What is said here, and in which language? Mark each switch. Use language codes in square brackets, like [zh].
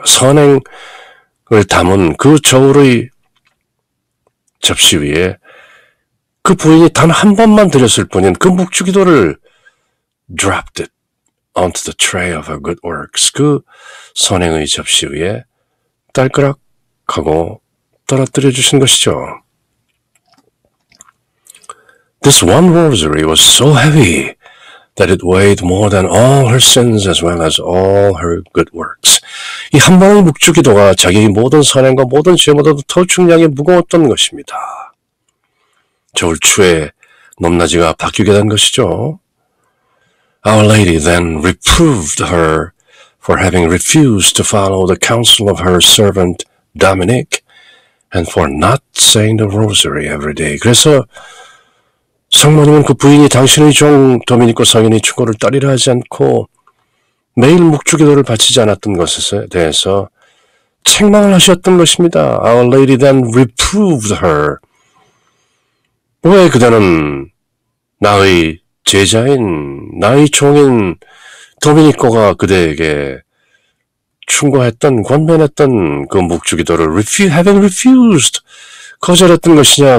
[ko] 선행을 담은 그 저울의 접시 위에 그 부인이 단 한 번만 드렸을 뿐인 그 묵주기도를 [en] dropped it onto the tray of her good works. [ko] 그 선행의 접시 위에 딸그락하고 떨어뜨려 주신 것이죠. [en] This one rosary was so heavy that it weighed more than all her sins as well as all her good works. [ko] 이 한 번의 묵주기도가 자기의 모든 선행과 모든 죄보다도 더 중량이 무거웠던 것입니다. 절추의 높낮이가 바뀌게 된 것이죠. [en] Our Lady then reproved her for having refused to follow the counsel of her servant Dominic and for not saying the rosary every day. [ko] 그래서 성모님은 그 부인이 당신의 종 도미니코 성인이 충고를 따르려 하지 않고 매일 묵주기도를 바치지 않았던 것에 대해서 책망을 하셨던 것입니다. [en] Our Lady then reproved her. [ko] 왜 그대는 나의 제자인, 나의 종인 도미니코가 그대에게 충고했던, 권면했던 그 묵주기도를 [en] having refused, [ko] 거절했던 것이냐.